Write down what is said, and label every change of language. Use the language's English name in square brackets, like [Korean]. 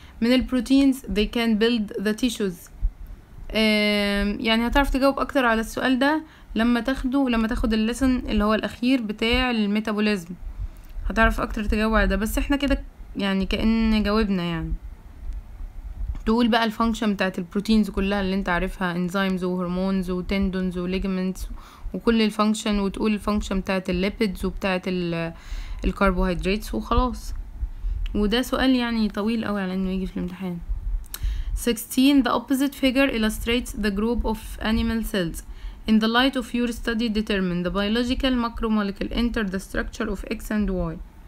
[Arabic] من البروتينز [English] they can build the tissues. [Arabic] يعني هتعرف تجاوب اكتر على السؤال ده لما تاخده لما تاخد الليسن اللي هو الاخير بتاع الميتابوليزم، هتعرف اكتر تجاوب على ده. بس احنا كده يعني كأن جاوبنا. يعني تقول بقى الفانكشن بتاعت البروتينز كلها اللي انت عارفها، انزيمز وهرمونز وتندونز وليجمنتس وكل الفانكشن، وتقول الفانكشن بتاعت الليبيدز وبتاعت الكربوهيدرات وخلاص. وده سؤال يعني طويل قوي على انه يجي في الامتحان. [English] 16 the opposite figure illustrates the group of animal cells. In the light of your study determine the biological macromolecule enter the structure of X and Y.